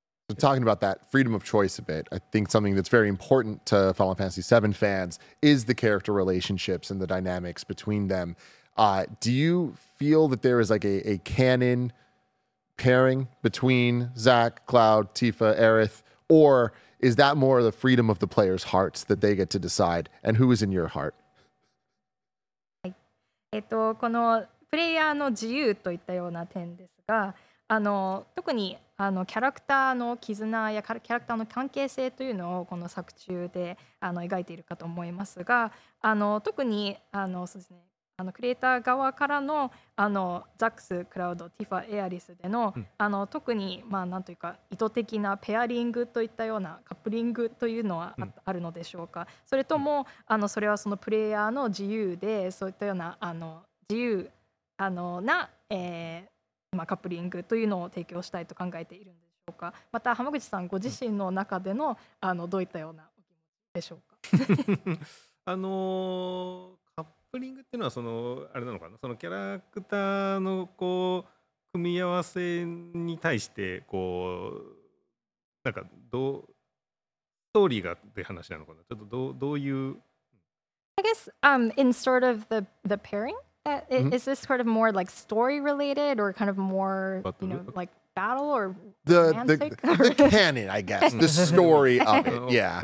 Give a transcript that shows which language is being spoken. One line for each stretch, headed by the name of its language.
English: So talking about that freedom of choice a bit, I think something that's very important to Final Fantasy VII fans is the character relationships and the dynamics between them. Do you feel that there is like a canon pairing between Zack, Cloud, Tifa, Aerith, or is that more the freedom of the player's hearts that they get to decide? And who is in your heart?
Japanese: このプレイヤーの自由といったような点ですが、特にキャラクターの絆やキャラクターの関係性というのをこの作中で描いているかと思いますが、特にそうですね、クリエイター側から の, ザックス、クラウド、ティファ、エアリスで の,、うん、特に、まあ、なんというか意図的なペアリングといったようなカップリングというのは うん、あるのでしょうか。それとも、うん、それはそのプレイヤーの自由でそういったような自由な、カップリングというのを提供したいと考えているんでしょうか。また浜口さんご自身の中で の,、うん、どういったようなお気持ちでしょうか。カップリングっていうのはそのあれなのかな、そのキャラクターのこう組み合わせに対してこうなんかどうストーリーがって話なのかな、ちょっとどういう
English: I guess in sort of the pairing is this sort of more like story related or kind of more you know like battle or the canon I guess the story of it yeah